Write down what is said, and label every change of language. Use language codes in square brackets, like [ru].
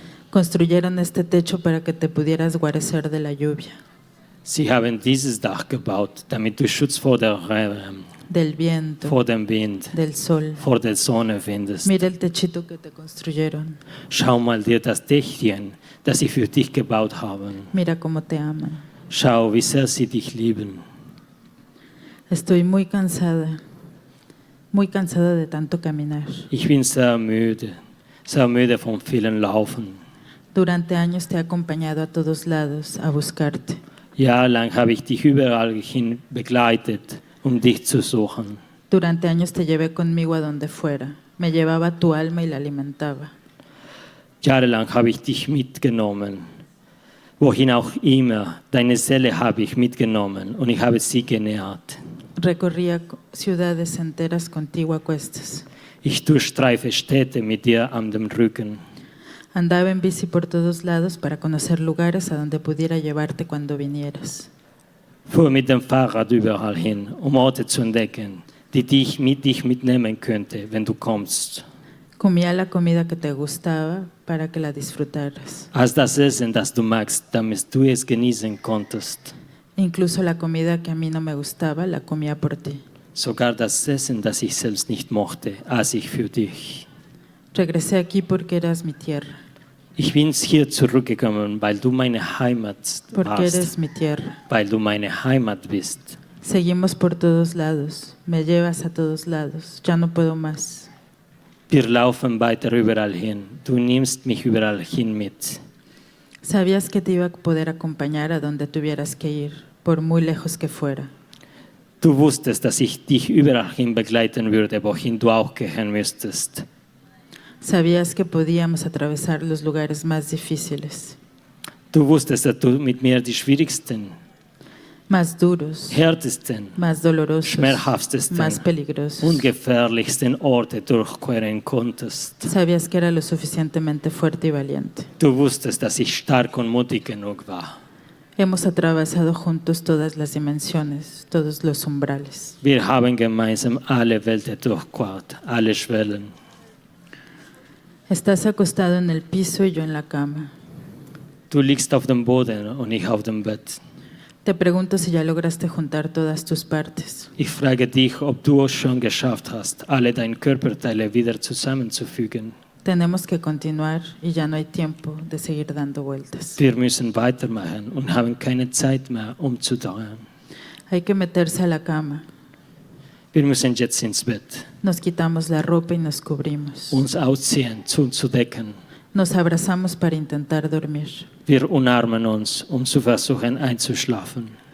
[es] Construyeron este techo para que te pudieras guarecer de la lluvia. [de] Sie haben dieses Dach gebaut, damit du Schutz vor der [es] del viento, [de] vor dem Wind, [es] del sol, [de] vor der Sonne findest. [es] Mira el techito que te construyeron. [de] Schau mal dir das Dächtchen, das sie für dich gebaut haben. [es] Mira cómo te aman. [de] Schau, wie sehr sie dich lieben. [es] Estoy muy cansada de tanto caminar. [de] Ich bin sehr müde von vielen Laufen. [es] Durante años te he acompañado a todos lados a buscarte. [de] Jahrelang habe ich dich überall hin begleitet, um dich zu suchen. [es] Durante años te llevé conmigo a donde fuera. Me llevaba tu alma y la alimentaba. [de] Jahrelang habe ich dich mitgenommen. Wohin auch immer, deine Seele habe ich mitgenommen und ich habe sie genährt. [es] Recorría ciudades enteras contigo a cuestas. [de] Ich durchstreife Städte mit dir an dem Rücken. [es] Andaba en bici por todos lados para conocer lugares a donde pudiera llevarte cuando vinieras. [de] Fuhr mit dem Fahrrad überall hin, um Orte zu entdecken, die dich mit dich mitnehmen könnte, wenn du kommst. [es] Comía la comida que te gustaba para que la disfrutaras. [de] Aß das Essen, das du magst, damit du es genießen konntest. [es] Incluso la comida que a mí no me gustaba, la comía por ti. [de] Sogar das Essen, das ich selbst nicht mochte, aß ich für dich. [es] Regresé aquí porque eras mi tierra. [de] Ich bin hier zurückgekommen, weil du meine Heimat [es] porque [de] warst. [es] Eres mi tierra. [de] Weil du meine Heimat bist. [es] Seguimos por todos lados. Me llevas a todos lados. Ya no puedo más. [de] Wir laufen weiter überall hin. Du nimmst mich überall hin mit. [es] Sabías que te iba a poder acompañar a donde tuvieras que ir, por muy lejos que fuera. [de] Du wusstest, dass ich dich überall hin begleiten würde, wohin du auch gehen müsstest. [es] Sabías que podíamos atravesar los lugares más difíciles. [de] Du wusstest, dass du mit mir die schwierigsten, [es] más duros, [de] härtesten, [es] más dolorosos, [de] schmerzhaftesten, [es] más peligrosos, [de] ungefährlichsten Orte durchqueren konntest. [es] Sabías que era lo suficientemente fuerte y valiente. [de] Du wusstest, dass ich stark und mutig genug war. [es] Hemos atravesado juntos todas las dimensiones, todos los umbrales. [de] Wir haben gemeinsam alle Welten durchquert, alle Schwellen. [es] Estás acostado en el piso y yo en la cama. [de] Du liegst auf dem Boden und ich auf dem Bett. [es] Te pregunto si ya lograste juntar todas tus partes. [de] Ich frage dich, ob du es schon geschafft hast, alle deine Körperteile wieder zusammenzufügen. [es] Tenemos que continuar y ya no hay tiempo de seguir dando vueltas. [de] Wir müssen weitermachen und haben keine Zeit mehr, um zu dauern. [es] Hay que meterse a la cama. [de] Wir müssen jetzt ins Bett. [es] Nos quitamos la ropa y nos cubrimos. [de] Uns ausziehen, zu decken. [es] Nos abrazamos para intentar dormir. [de] Wir umarmen uns, um zu versuchen einzuschlafen.